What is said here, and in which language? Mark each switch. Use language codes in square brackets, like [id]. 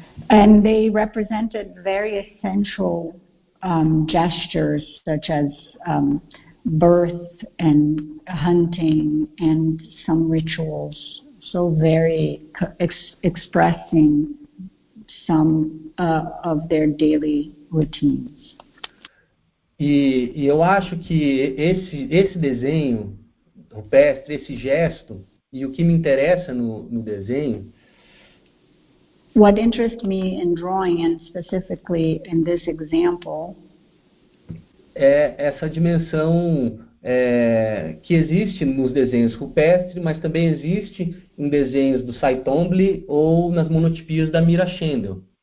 [en] And they represented very essential gestures such as birth and hunting and some rituals, so very expressing some of their daily routines. [pt] E eu acho que esse desenho rupestre, esse gesto, e o que me interessa no desenho, [en] what interests me in drawing and specifically in this example, [pt] é essa dimensão que existe nos desenhos rupestres, mas também existe em desenhos do Cy Twombly ou nas monotipias da Mira Schendel.